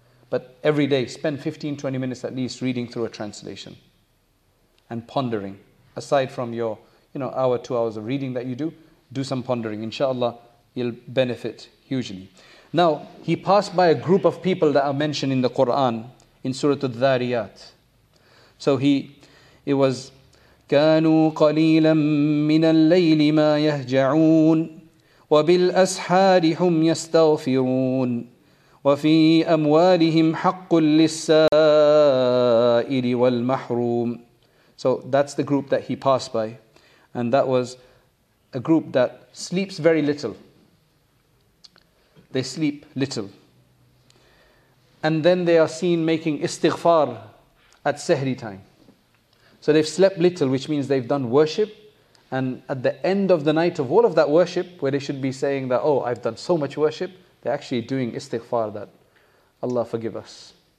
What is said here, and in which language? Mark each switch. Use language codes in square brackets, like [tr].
[en] But every day, spend 15, 20 minutes at least reading through a translation and pondering. Aside from your, you know, hour, 2 hours of reading that you do, do some pondering. Inshallah, you'll benefit hugely. Now, he passed by a group of people that are mentioned in the Quran in Surah Al-Dhariyat. So it was, [ar] كانوا قليلا من الليل ما يهجعون وبالأسحار هم يستغفرون وفي أموالهم حق للسائل والمحروم. [en] So that's the group that he passed by. And that was a group that sleeps very little. They sleep little. And then they are seen making istighfar at sahri time. So they've slept little, which means they've done worship. And at the end of the night of all of that worship, where they should be saying that, oh, I've done so much worship, they're actually doing istighfar that, Allah forgive us.